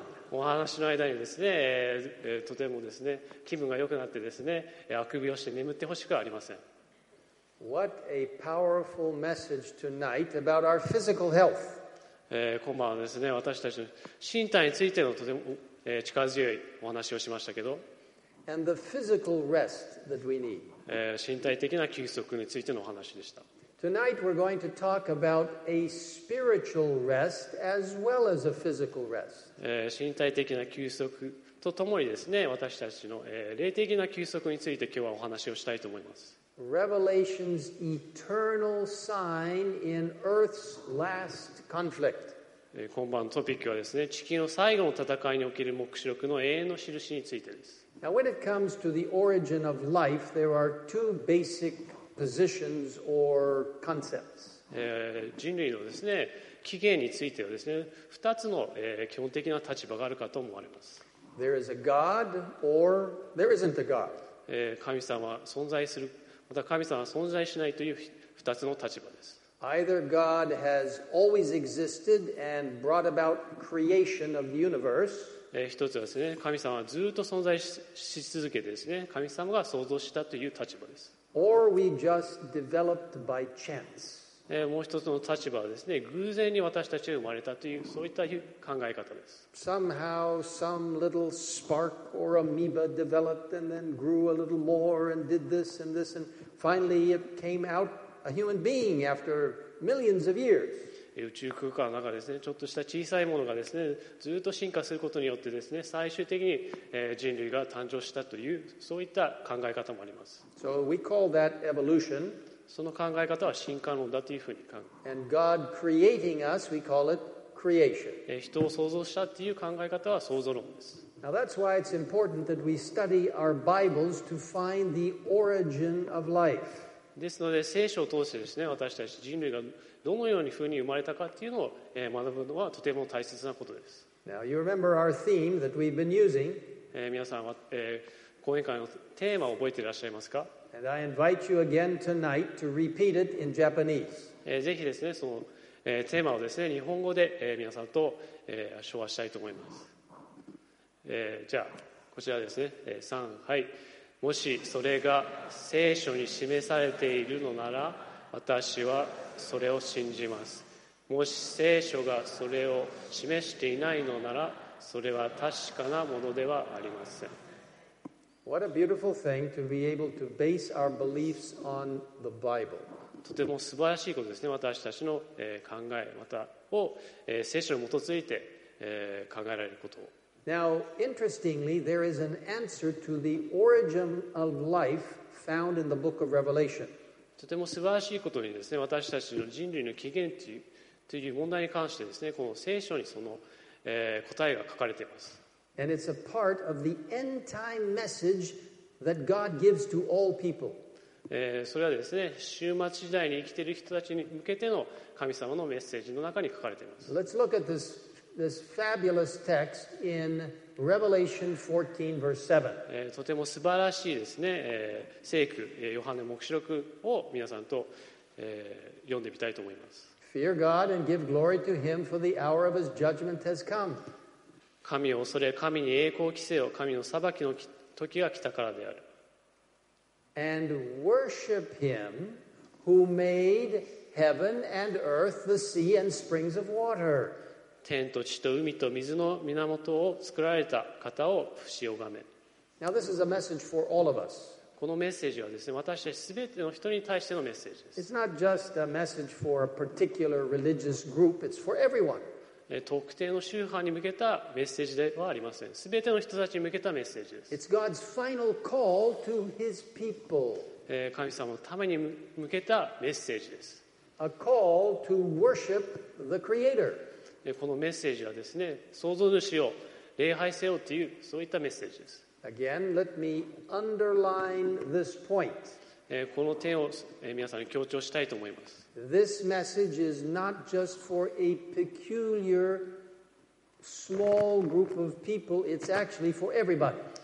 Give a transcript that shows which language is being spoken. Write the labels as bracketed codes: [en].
[ja] お話の間にですね、とてもですね、気分が良くなってですね、あくびをして眠ってほしくはありません。 [en] What a powerful message tonight about our physical health. [ja] 今晩はですね、私たちの身体についてのとても力強いお話をしましたけど、 [en] And the physical rest that we need. [ja] 身体的な休息についてのお話でした。 [en] Tonight we're going to talk about a spiritual rest as well as a physical rest. [ja] 身体的な休息とともにですね、私たちの霊的な休息について今日はお話をしたいと思います。 [en] Revelation's eternal sign in Earth's last conflict. [ja] 今晩のトピックはですね、地球の最後の戦いにおける黙示録の永遠の印についてです。 [en] Now when it comes to the origin of life, there are two basic positions or concepts. [ja] 人類のですね、起源についてはですね、2つの基本的な立場があるかと思われます。 [en] There is a God or there isn't a God. [ja] 神様は存在する、また神様は存在しないという2つの立場です。 [en] Either God has always existed and brought about creation of the universe. [ja] 一つはですね、神様はずっと存在し続けてですね、神様が創造したという立場です。 [en] Or we just developed by chance. [ja] もう一つの立場はですね、偶然に私たちが生まれたというそういった考え方です。 [en] Somehow some little spark or amoeba developed and then grew a little more and did this and this and finally it came out a human being after millions of years. [ja] 宇宙空間の中ですね、ちょっとした小さいものがですね、ずっと進化することによってですね、最終的に人類が誕生したというそういった考え方もあります。 [en] So we call that evolution. [ja] その考え方は進化論だというふうに考え。 [en] And God creating us, we call it creation. [ja] 人を創造したという考え方は創造論です。 [en] Now that's why it's important that we study our Bibles to find the origin of life. [ja] ですので聖書を通してですね、私たち人類がどのようにふうに生まれたかっていうのを学ぶのはとても大切なことです。 [en] Now, you remember our theme that we've been using. [ja] 皆さんは、講演会のテーマを覚えていらっしゃいますか？ [en] And I invite you again tonight to repeat it in Japanese. [ja] ぜひですね、その、テーマをですね、日本語で、皆さんと、唱和したいと思います。じゃあ、こちらですね、3、はい。もしそれが聖書に示されているのなら、私はそれを信じます。もし聖書がそれを示していないのなら、それは確かなものではありません。 [en] What a beautiful thing to be able to base our beliefs on the Bible. [ja] とても素晴らしいことですね。私たちの考え、またを聖書に基づいて考えられることを。 [en] Now, interestingly, there is an answer to the origin of life found in the book of Revelation. [ja] とても素晴らしいことにですね、私たちの人類の起源という問題に関してですね、この聖書にその、答えが書かれています。 [en] And it's a part of the end time message that God gives to all people. [ja] それはですね、終末時代に生きている人たちに向けての神様のメッセージの中に書かれています。 [en] Let's look at this fabulous text in Revelation 14, verse 7. [ja] とても素晴らしいですね、聖句、ヨハネ黙示録を皆さんと、読んでみたいと思います。 [en] Fear God and give glory to Him, for the hour of His judgment has come. [ja] 神を恐れ、神に栄光を着せよ、神の裁きの時が来たからである。 [en] And worship Him who made heaven and earth, the sea and springs of water. [ja] 天と地と海と水の源を作られた方を伏し拝め。 [en] Now this is a message for all of us. [ja] このメッセージはですね、私たちすべての人に対してのメッセージです。 [en] It's not just a message for a particular religious group, it's for everyone. [ja] 特定の宗派に向けたメッセージではありません。すべての人たちに向けたメッセージです。 [en] It's God's final call to His people. [ja] 神様のために向けたメッセージです。 [en] A call to worship the Creator. [ja] このメッセージはですね、創造主を礼拝せよという、そういったメッセージです。 [en] Again, let me underline this point. [ja] この点を皆さんに強調したいと思います。 [en] This message is not just for a peculiar small group of people, it's actually for everybody.